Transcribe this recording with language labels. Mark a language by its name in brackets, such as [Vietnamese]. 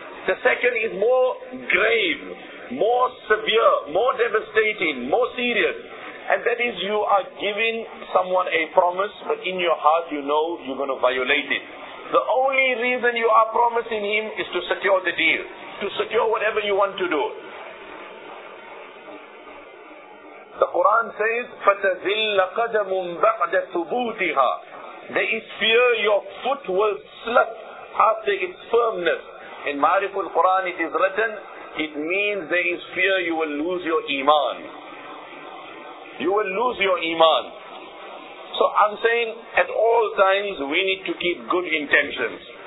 [English] The second is more grave, more severe, more devastating, more serious. And that is you are giving someone a promise, but in your heart you know you're going to violate it. The only reason you are promising him is to secure the deal, to secure whatever you want to do. The Quran says, [Arabic] فَتَذِلَّ قَدَمٌ بَعْدَ ثُبُوتِهَا. [English] There is fear, your foot will slip after its firmness. In Ma'riful Quran it is written, it means there is fear you will lose your iman. You will lose your iman. So I'm saying, at all times we need to keep good intentions.